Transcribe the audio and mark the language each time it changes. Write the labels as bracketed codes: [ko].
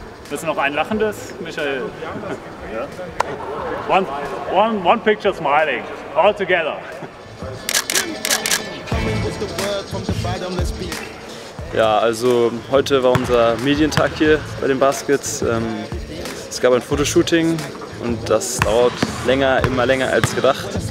[de] Ist noch ein lachendes, Michael? Ja. [en] One picture smiling, all together. [de] Ja, also heute war unser Medientag hier bei den Baskets. Es gab ein Fotoshooting und das dauert länger, immer länger als gedacht.